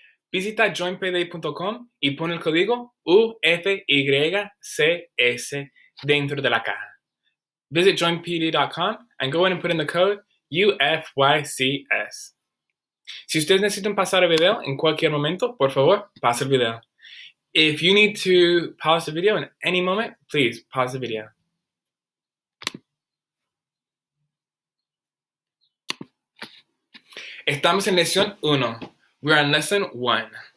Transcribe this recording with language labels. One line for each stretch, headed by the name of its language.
Spanish: Visita joinpayday.com y pon el código UFYCS dentro de la caja.
English: Visit joinpayday.com and go in and put in the code UFYCS.
Spanish: Si ustedes necesitan pasar el video en cualquier momento, por favor, pase el video.
English: If you need to pause the video in any moment, please pause the video.
Spanish: Estamos en lección 1.
English: We are in lesson 1.